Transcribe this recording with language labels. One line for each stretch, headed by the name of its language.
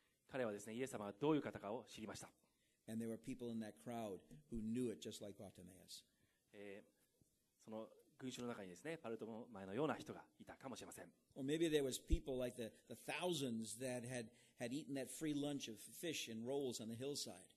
Japanese: 彼はですね、イエス様がどういう方かを知りました。
English: And there were people in that crowd who knew it just like Bartimaeus.
Japanese: その群衆の中にですね、バルトロマイのような人がいたかもしれません。
English: Or maybe there was people like the thousands that had eaten that free lunch of fish and rolls on the hillside.